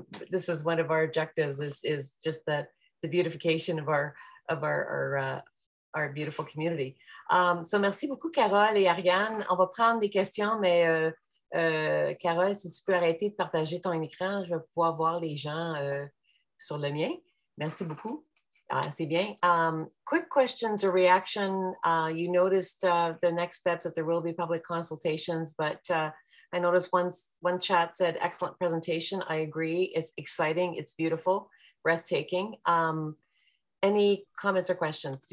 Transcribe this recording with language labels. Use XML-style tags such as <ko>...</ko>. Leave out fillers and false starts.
<en>this is one of our objectives, is just that the beautification of our beautiful community.</en> <fr>So merci beaucoup, Carole et Ariane. On va prendre des questions, mais Carole, si tu peux arrêter de partager ton écran, je vais pouvoir voir les gens sur le mien. Merci beaucoup. C'est bien.</fr> <en>Quick questions or reaction. You noticed the next steps that there will be public consultations, but I noticed one chat said, excellent presentation. I agree. It's exciting. It's beautiful. Breathtaking. Any comments or questions?</en>